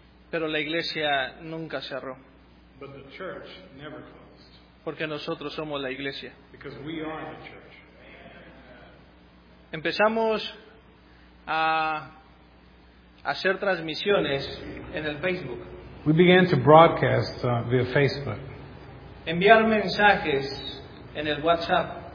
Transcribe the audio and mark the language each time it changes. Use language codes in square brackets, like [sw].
[es] Pero la iglesia nunca cerró. [en] But the church never closed. [es] Porque nosotros somos la iglesia. [en] Because we are the church. [es] Empezamos a hacer transmisiones en el Facebook. [en] We began to broadcast via Facebook. [es] Enviar mensajes en el WhatsApp.